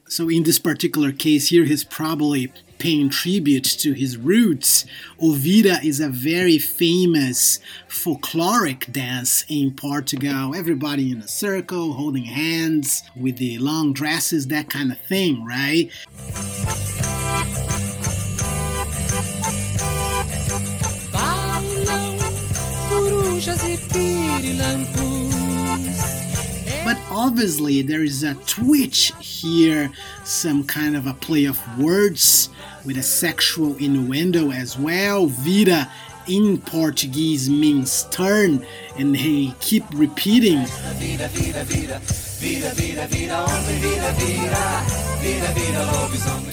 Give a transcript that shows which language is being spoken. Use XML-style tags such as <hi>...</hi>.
<en>So in this particular case here, he's probably paying tribute to his roots. Ovira is a very famous folkloric dance in Portugal. Everybody in a circle, holding hands with the long dresses, that kind of thing, right?</en> <pt>Balão, corujas e pirilampus.</pt> <en>But obviously there is a twitch here, some kind of a play of words with a sexual innuendo as well. Vira in Portuguese means turn, and they keep repeating.</en> <pt>Vira, vira, vira. Vira, vira, vira, homem, vira, vira, vira, vira, lobisomem.</pt>